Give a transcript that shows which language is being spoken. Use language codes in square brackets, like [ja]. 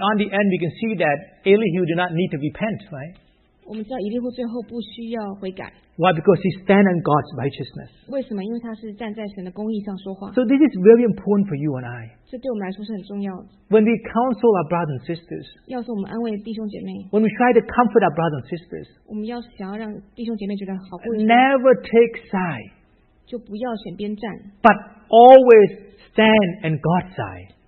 [en] on the end, we can see that Elihu did not need to repent, right? [zh] 我们知道伊利户最后不需要悔改。 [en] Why? Because he stands on God's righteousness. [zh] 为什么? 因为他是站在神的公义上说话。 [en] So this is very important for you and I. [zh] 这对我们来说是很重要的。 [en] When we counsel our brothers and sisters, [zh] 要是我们安慰弟兄姐妹, [en] when we try to comfort our brothers and sisters, [zh] 我们要想要让弟兄姐妹觉得好过, [en] never take side, [zh] 就不要选边站, [en] but always stand on God's side.